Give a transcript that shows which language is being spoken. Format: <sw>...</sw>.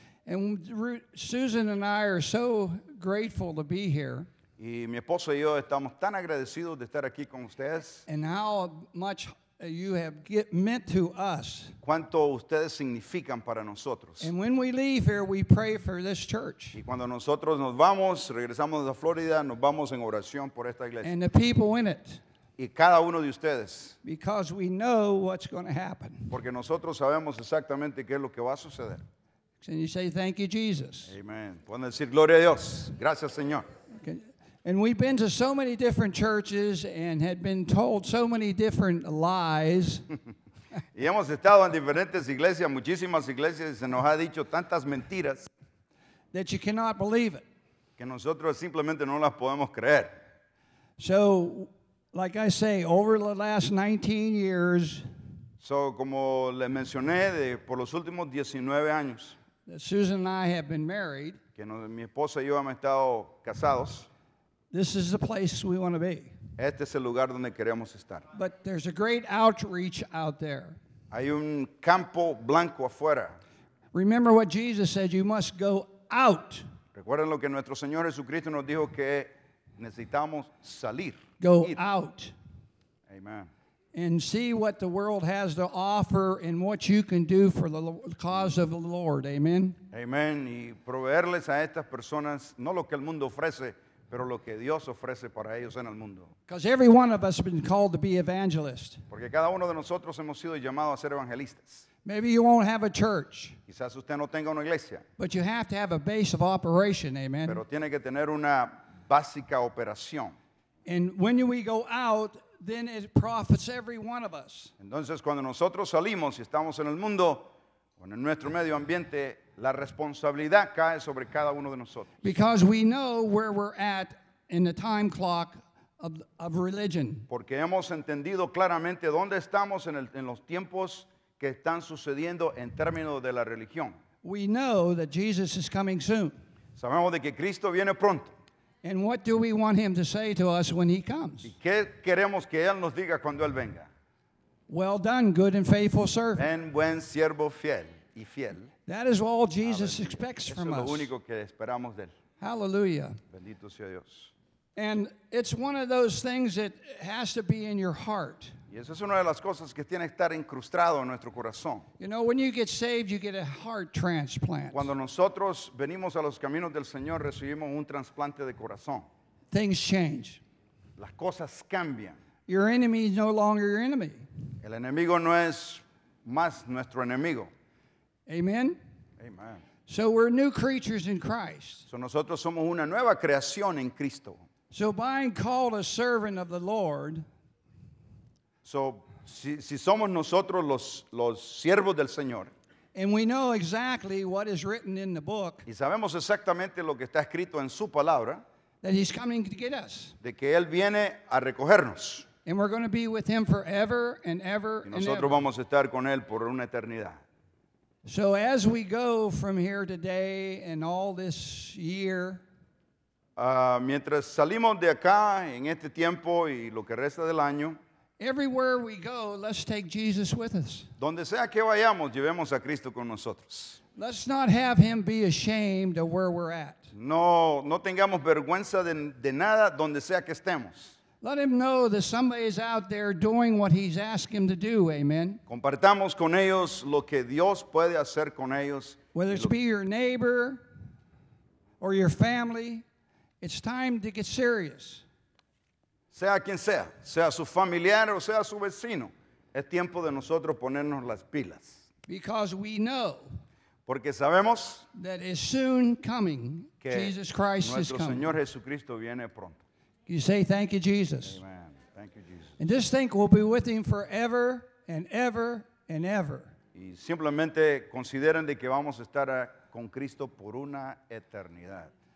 <en>And Susan and I are so grateful to be here.</en> <es>Y mi esposo y yo estamos tan agradecidos de estar aquí con ustedes.</es> <en>And how much you have meant to us.</en> <es>Cuánto ustedes significan para nosotros.</es> <en>And when we leave here, we pray for this church.</en> <es>Y cuando nosotros nos vamos, regresamos a Florida, nos vamos en oración por esta iglesia.</es> <en>And the people in it.</en> <es>Y cada uno de ustedes.</es> <en>Because we know what's going to happen.</en> <es>Porque nosotros sabemos exactamente qué es lo que va a suceder.</es> <en>Can you say thank you, Jesus?</en> <es>Amen. Pueden decir gloria a Dios. Gracias, Señor. Okay.</es> <en>And we've been to so many different churches and had been told so many different lies.</en> <es>Y hemos estado en diferentes iglesias, muchísimas iglesias, y se nos ha dicho tantas mentiras.</es> <en>That you cannot believe it.</en> <es>Que nosotros simplemente no las podemos creer.</es> <en>So, like I say, over the last 19 years.</en> <es>So, como le mencioné, de, por los últimos 19 años.</es> <en>That Susan and I have been married.</en> <es>Que no, mi esposa y yo hemos estado casados.</es> <en>This is the place we want to be.</en> <es>Este es el lugar donde queremos estar.</es> <en>But there's a great outreach out there.</en> <es>Hay un campo blanco afuera.</es> <en>Remember what Jesus said, you must go out.</en> <es>Recuerden lo que nuestro Señor Jesucristo nos dijo que necesitamos salir.</es> <en>Go out. Amen. And see what the world has to offer and what you can do for the cause of the Lord. Amen. Amen.</en> <es>Y proveerles a estas personas no lo que el mundo ofrece, pero lo que Dios ofrece para ellos en el mundo.</es> <en>Because every one of us has been called to be evangelists.</en> <es>Porque cada uno de nosotros hemos sido llamados a ser evangelistas.</es> <en>Maybe you won't have a church.</en> <es>Quizás usted no tenga una iglesia.</es> <en>But you have to have a base of operation. Amen.</en> <es>Pero tiene que tener una básica operación.</es> <en>And when we go out, then it profits every one of us.</en> <es>Entonces, cuando nosotros salimos y estamos en el mundo, o en nuestro medio ambiente, la responsabilidad cae sobre cada uno de nosotros.</es> <en>Because we know where we're at in the time clock of religion.</en> <es>Porque hemos entendido claramente dónde estamos en los tiempos que están sucediendo en términos de la religión.</es> <en>We know that Jesus is coming soon.</en> <es>Sabemos de que Cristo viene pronto.</es> <en>And what do we want him to say to us when he comes?</en> <es>¿Y qué queremos que él nos diga cuando él venga?</es> <en>Well done, good and faithful servant.</en> <es>En buen siervo fiel y fiel.</es> <en>That is all Jesus expects from us.</en> <es>Eso es lo único que esperamos de él.</es> <en>Hallelujah.</en> <es>Bendito sea Dios.</es> <en>And it's one of those things that has to be in your heart.</en> <es>Y eso es una de las cosas que tiene que estar incrustado en nuestro corazón.</es> <en>You know, when you get saved, you get a heart transplant.</en> <es>Cuando nosotros venimos a los caminos del Señor, recibimos un trasplante de corazón.</es> <en>Things change.</en> <es>Las cosas cambian.</es> <en>Your enemy is no longer your enemy.</en> <es>El enemigo no es más nuestro enemigo. Amen. Amen.</es> <en>So we're new creatures in Christ.</en> <es>So nosotros somos una nueva creación en Cristo.</es> <en>So being called a servant of the Lord.</en> <es>So si somos nosotros los siervos del Señor.</es> <en>And we know exactly what is written in the book.</en> <es>Y sabemos exactamente lo que está escrito en su palabra.</es> <en>That he's coming to get us.</en> <es>De que él viene a recogernos.</es> <en>And we're going to be with him forever and ever and ever.</en> <es>Y nosotros vamos a estar con él por una eternidad.</es> <en>So as we go from here today and all this year,</en> <es>mientras salimos de acá en este tiempo y lo que resta del año,</es> <en>everywhere we go, let's take Jesus with us.</en> <es>Donde sea que vayamos, llevemos a Cristo con nosotros.</es> <en>Let's not have him be ashamed of where we're at.</en> <es>No tengamos vergüenza de nada donde sea que estemos.</es> <en>Let him know that somebody is out there doing what he's asked him to do, amen.</en> <es>Compartamos con ellos lo que Dios puede hacer con ellos.</es> <en>Whether it be your neighbor or your family, it's time to get serious.</en> <es>Sea quien sea, sea su familiar o sea su vecino, es tiempo de nosotros ponernos las pilas.</es> <en>Because we know.</en> <es>Porque sabemos.</es> <en>That is soon coming,</en> <es>que</es> <en>Jesus Christ</en> <es>nuestro</es> <en>is coming.</en> <es>Señor Jesucristo viene pronto.</es> <en>You say, thank you, Jesus. Amen. Thank you, Jesus. And just think, we'll be with him forever and ever and ever.</en> <es>Y simplemente consideren de que vamos a estar con Cristo por una eternidad.</es>